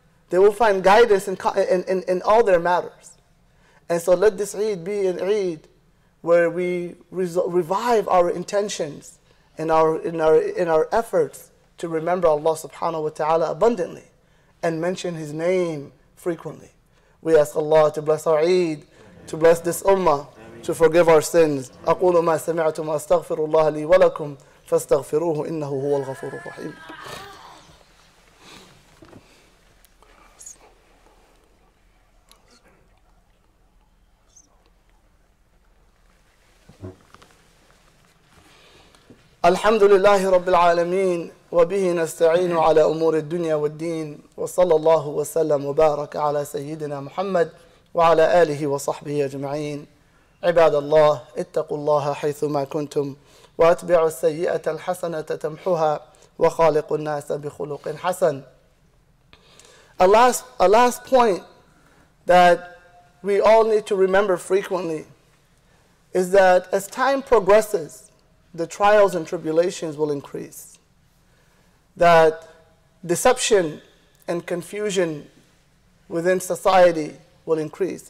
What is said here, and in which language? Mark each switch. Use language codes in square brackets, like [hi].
[en] They will find guidance in all their matters. And so let this Eid be an Eid where we revive our intentions and our efforts to remember Allah subhanahu wa ta'ala abundantly and mention His name frequently. We ask Allah to bless our Eid, to bless this Ummah, to forgive our sins. [ar] أقول ما سمعتم أستغفر الله لي ولكم فاستغفروه إنه هو الغفور الرحيم. الحمد لله رب العالمين وبه نستعين على أمور الدنيا والدين وصلى الله وسلم وبارك على سيدنا محمد وعلى آله وصحبه أجمعين عباد الله اتقوا الله حيثما كنتم وأتبعوا السيئة الحسنة تمحها وخالق الناس بخلق حسن. [en] A last point that we all need to remember frequently is that as time progresses, the trials and tribulations will increase. That deception and confusion within society will increase.